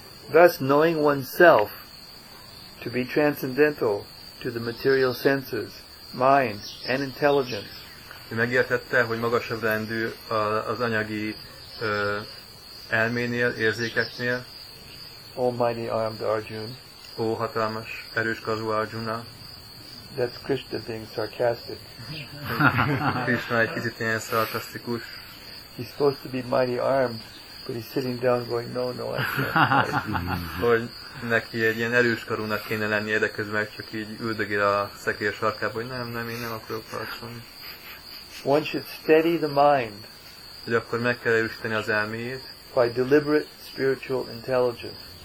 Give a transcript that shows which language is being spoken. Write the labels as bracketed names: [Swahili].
[English] Thus, knowing oneself to be transcendental to the material senses, mind, and intelligence. [Hungarian] Ő megértette, hogy magasabb rendű az anyagi elménél, érzékeknél. [English] Almighty armed Arjuna. [Hungarian] Ó, hatalmas, erős kazu Arjuna. [English] That's Krishna being sarcastic. [Hungarian] Krishna egy kicsit ilyen szarkasztikus. [English] He's supposed to be mighty armed. But he's sitting down going, no, I can't. [Hungarian] Hogy neki egy ilyen erős karúnak kéne lennie, de közben csak így üldögél a szekér sarkába, hogy nem, én nem akarok harcolni. [English] One should steady the mind. [Hungarian] Hogy akkor meg kell erősíteni az elméjét. [English] By deliberate spiritual intelligence.